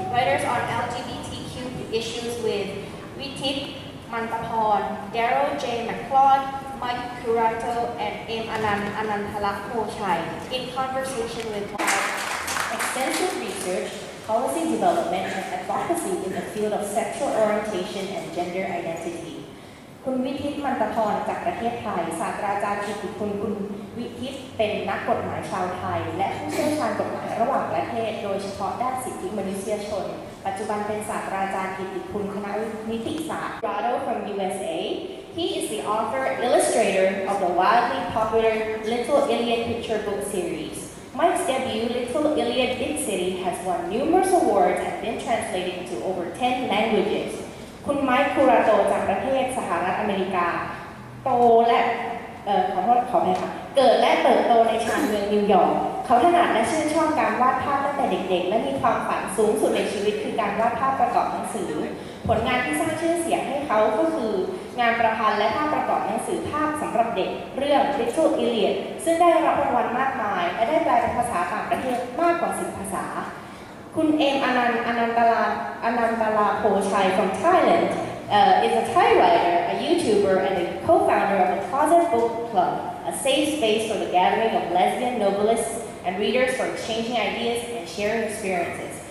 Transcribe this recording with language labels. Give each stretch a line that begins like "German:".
English: Writers on LGBTQ issues with Vitit Muntarbhorn, Darel J, McLeod, Mike Curato, and M. Anandhalakpochai in conversation with extensive research, policy development, and advocacy in the field of sexual orientation and gender identity.
Thai: คุณวิทิตมันตะพรจากประเทศไทยศาสตราจารย์กิตติคุณคุณวิทิตเป็นนักกฎหมายชาวไทยและผู้เชี่ยวชาญกฎหมายระหว่างประเทศโดยเฉพาะด้านสิทธิมนุษยชนปัจจุบันเป็นศาสตราจารย์กิตติคุณคณะนิติศาสตร์ Curato
English: from USA. He is the author, illustrator of the wildly popular Little Elliot picture book series. Mike's debut, Little Elliot, Big City, has won numerous awards and been translated into over 10 languages.
Thai: คุณ Mike Curato จากประเทศสหรัฐอเมริกาโตและขอแม่ค่ะเกิดและเติบโตในชานเมืองนิวยอร์กเขาถนัดและชื่นชอบการวาดภาพตั้งแต่เด็กๆและมีความฝันสูงสุดในชีวิตคือการวาดภาพประกอบหนังสือ ผลงานที่สร้างชื่อเสียงให้เขาก็คืองานประพันธ์และภาพประกอบหนังสือภาพสำหรับเด็กเรื่อง Little Elliot ซึ่งได้รับรางวัลมากมายและได้แปลเป็นภาษาต่างประเทศมากกว่า10ภาษาคุณเอมอนันต์อนันตลาโพชัย
English: from Thailand is a Thai writer, a YouTuber, and a co-founder of the Closet Book Club, a safe space for the gathering of lesbian novelists and readers for exchanging ideas and sharing experiences.